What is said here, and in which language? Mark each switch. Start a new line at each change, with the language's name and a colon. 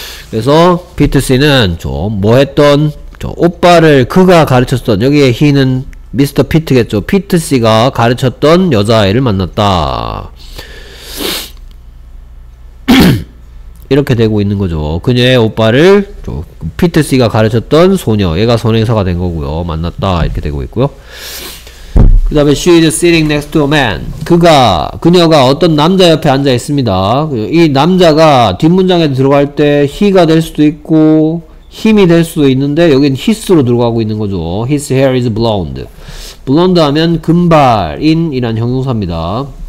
Korean: 그래서 피트씨는 좀 뭐 했던 저 오빠를 그가 가르쳤던 여기에 히는 미스터 피트겠죠. 피트씨가 가르쳤던 여자아이를 만났다. 이렇게 되고 있는 거죠. 그녀의 오빠를 피트 씨가 가르쳤던 소녀, 얘가 선행사가 된 거고요. 만났다 이렇게 되고 있고요. 그 다음에
English: she is sitting next to a man.
Korean: 그녀가 어떤 남자 옆에 앉아 있습니다. 이 남자가 뒷문장에 들어갈 때 he가 될 수도 있고 him이 될 수도 있는데 여긴 his로 들어가고 있는 거죠.
English: His hair is blonde.
Korean: blonde 하면 금발인 이란 형용사입니다.